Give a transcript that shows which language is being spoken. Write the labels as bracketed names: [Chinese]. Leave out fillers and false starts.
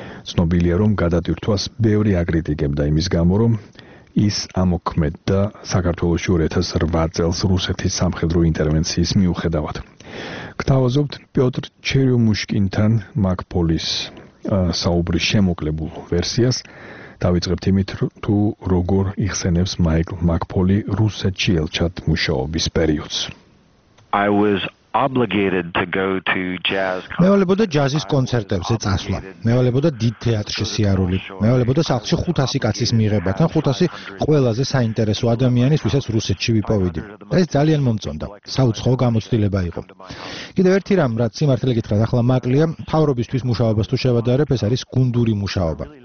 [Georgian] ცნობილია, რომ გადატვირთვას ბევრი აკრიტიკებდა იმის გამო, რომ ის ამოქმედდა საქართველოში 2008 წელს რუსეთის სამხედრო ინტერვენციის მიუხედავად. გთავაზობთ პიოტრ ჩერიუმუშკინთან მაკფოლის საუბრის შემოკლებულ ვერსიას. დავიწყებთ იმით, თუ როგორ იხსენებს მაიკლ მაკფოლი რუსეთში ელჩად მუშაობის პერიოდს. [English] I was obligated to go to jazz concerts. [Georgian] მეოლებოდა ჯაზის კონცერტებზე წასვლა. მეოლებოდა დიდ თეატრში სიარული. მეოლებოდა სახლში 500 კაცის მიღება და 500 ყველაზე საინტერესო ადამიანის, ვისაც რუსეთში ვიპოვიდი. ეს ძალიან მომწონდა. საუცხოო გამოცდილება იყო. კიდევ ერთი რამ, რაც სიმართლე გითხრათ, ახლა მაკლია, თავრობისთვის მუშაობას თუ შევადარებ, ეს არის გუნდური მუშაობა.